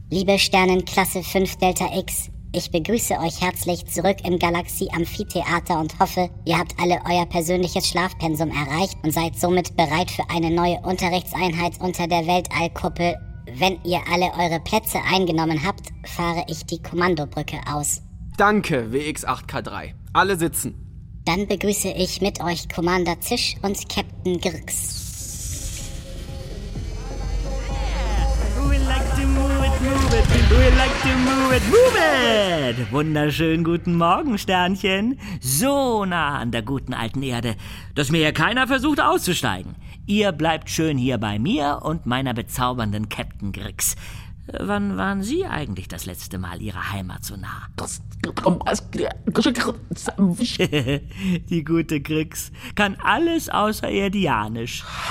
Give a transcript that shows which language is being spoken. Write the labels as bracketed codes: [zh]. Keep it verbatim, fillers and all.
[de] Liebe Sternenklasse fünf Delta X, ich begrüße euch herzlich zurück im Galaxie-Amphitheater und hoffe, ihr habt alle euer persönliches Schlafpensum erreicht und seid somit bereit für eine neue Unterrichtseinheit unter der Weltallkuppel. Wenn ihr alle eure Plätze eingenommen habt, fahre ich die Kommandobrücke aus. Danke, W X acht K drei. Alle sitzen. Dann begrüße ich mit euch Commander Zisch und Captain Grix. [en] Move it, we like to move it, move it! [de] Wunderschönen guten Morgen, Sternchen. So nah an der guten alten Erde, dass mir hier keiner versucht auszusteigen. Ihr bleibt schön hier bei mir und meiner bezaubernden Captain Grix. Wann waren Sie eigentlich das letzte Mal Ihrer Heimat so nah? Die gute Grix kann alles außer Erdianisch.